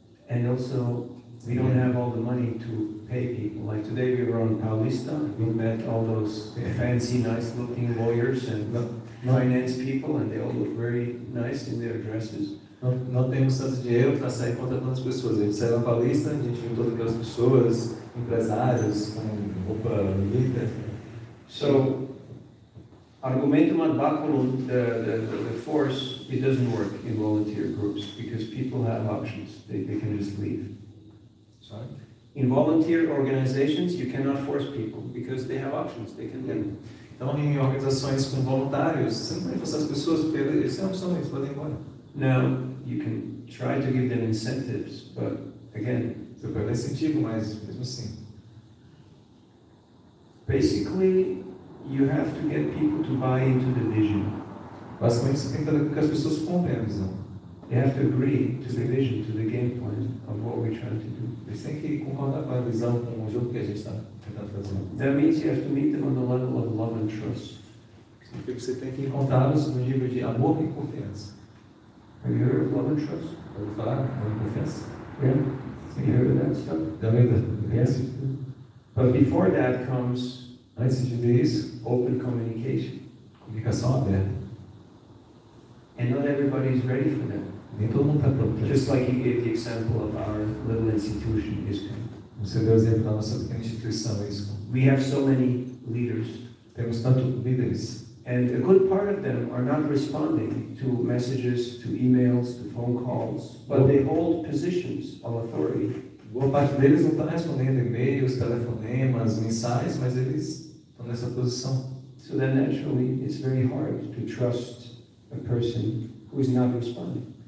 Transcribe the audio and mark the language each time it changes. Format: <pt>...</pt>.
<en>And also, we don't have all the money to pay people. Like today we were on Palestra, we met all those fancy, nice looking lawyers and finance people, and they all look very nice in their dresses.</en> <pt>Não temos tanto dinheiro para sair contra tantas pessoas. A gente saiu na Palestra, a gente viu todas aquelas pessoas, empresários, com roupa bonita.</pt> <en>So, argumentum ad baculum, the force, it doesn't work in volunteer groups because people have options. They can just leave. In volunteer organizations, you cannot force people because they have options, they can leave.</en> <pt>Então, em organizações com voluntários, você não pode forçar as pessoas porque eles têm opções, eles podem ir embora.</pt> <en>Now, you can try to give them incentives, but again,</en> <pt>você pode dar incentivo, mas mesmo assim.</pt> <en>Basically, you have to get people to buy into the vision.</en> <pt>Basicamente, você tem que fazer com que as pessoas comprem a visão.</pt> <en>They have to agree to the vision, to the game plan of what we're trying to do.</en> <pt>Eles têm que concordar com a visão, com o jogo que a gente está tentando fazer.</pt> <en>That means you have to meet them on the level of love and trust.</en> <pt>Significa que você tem que encontrá-los no nível de amor e confiança.</pt> <en>Have you heard of love and trust?</en> <pt>Pode falar, amor e confiança?</pt> <en>Yeah. Have you heard of that stuff?</en> <pt>Também da</pt> <en>Yes. But before that comes,</en> <pt>antes de this,</pt> <en>open communication.</en> <pt>Comunicação aberta.</pt> <en>And not everybody is ready for that.</en> <pt>Nem todo mundo está pronto.</pt> <en>Just like you gave the example of our little institution, ISKCON.</en> <pt>Você deu o exemplo da nossa pequena instituição, ISKCON.</pt> <en>We have so many leaders.</en> <pt>Temos tantos líderes.</pt> <en>And a good part of them are not responding to messages, to emails, to phone calls, but they hold positions of authority.</en> <pt>Boa parte deles não está respondendo e-mails, telefonemas, mensagens, mas eles estão nessa posição.</pt> <en>So then naturally, it's very hard to trust a person who is not responding.</en>